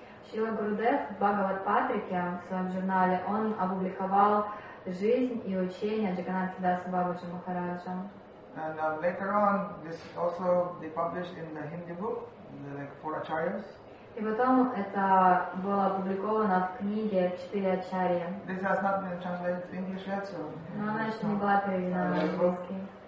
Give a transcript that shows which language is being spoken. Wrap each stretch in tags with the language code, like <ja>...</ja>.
<ru>Шрила Гурудев в Бхагават Патрике в своем журнале он опубликовал жизнь и учение Джаганнатхадаса Бабаджи Махараджа.</ru> <en>And later on, this also they published in the Hindi book, the like four acharyas.</en> <ru>И потом это было опубликовано в книге «Четыре ачарьи».</ru> <en>This has not been translated to English yet, so.</en> <ru>Но она еще не была переведена на английский.</ru>